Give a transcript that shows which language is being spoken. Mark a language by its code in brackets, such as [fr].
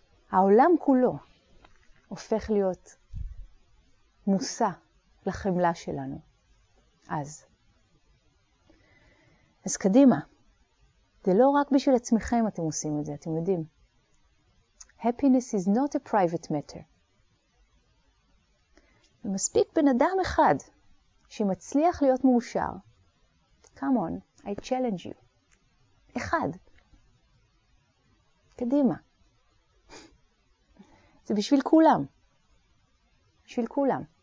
[he] העולם כולו הופך להיות מושא לחמלה שלנו. אז קדימה, זה לא רק בשביל עצמכם אתם עושים את זה, אתם יודעים. [en] Happiness is not a private matter. [he] ומספיק בן אדם אחד שמצליח להיות מאושר, [en] come on, I challenge you. [he] אחד. קדימה. זה בשביל כולם. בשביל כולם.